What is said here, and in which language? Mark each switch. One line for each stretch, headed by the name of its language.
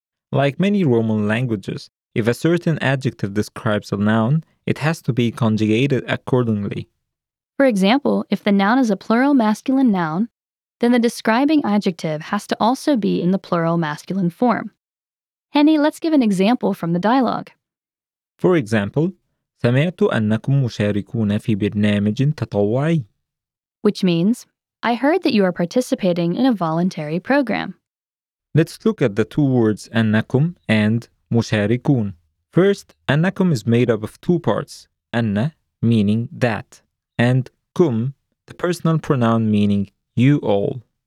English: Like many Roman languages, if a certain adjective describes a noun, it has to be conjugated accordingly. For example, if the noun is a plural masculine noun, then the describing adjective has to also be in the plural masculine form. Henny, let's give an example from the dialogue. For example,
Arabic: سمعت أنكم مشاركون في برنامج تطوعي.
English: Which means, I heard that you are participating in a voluntary program. Let's look at the two words أنكم and مشاركون. First, أنكم is made up of two parts, أن, meaning that, and كم, the personal pronoun meaning you all.